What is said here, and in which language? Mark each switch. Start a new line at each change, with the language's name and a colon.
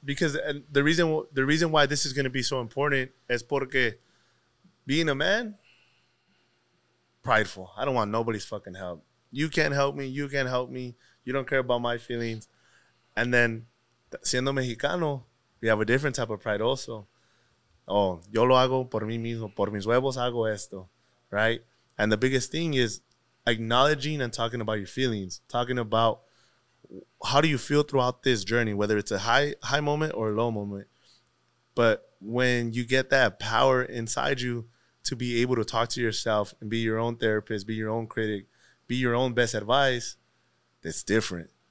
English: Because the reason why this is going to be so important is
Spanish: porque
English: being a man, prideful. I don't want nobody's fucking help. You can't help me. You can't help me. You don't care about my feelings. And then
Spanish: siendo mexicano,
English: we have a different type of pride also.
Spanish: Oh, yo lo hago por mí mismo, por mis huevos hago esto,
English: right? And the biggest thing is acknowledging and talking about your feelings, talking about how do you feel throughout this journey, whether it's a high moment or a low moment. But when you get that power inside you to be able to talk to yourself and be your own therapist, be your own critic, be your own best advice, it's different.